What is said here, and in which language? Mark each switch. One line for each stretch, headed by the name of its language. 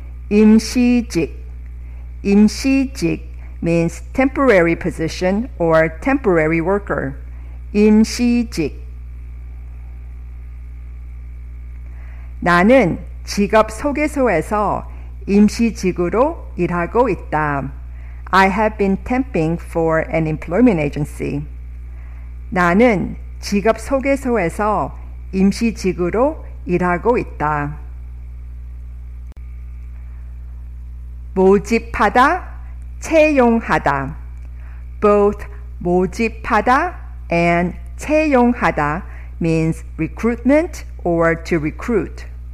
English: 임시직. 임시직 means temporary position or temporary worker.
Korean: 임시직. 나는 직업소개소에서 임시직으로 일하고 있다.
English: I have been temping for an employment agency.
Korean: 나는 직업소개소에서 임시직으로 일하고 있다.
English: 모집하다, 채용하다. Both 모집하다 and 채용하다 means recruitment or to recruit.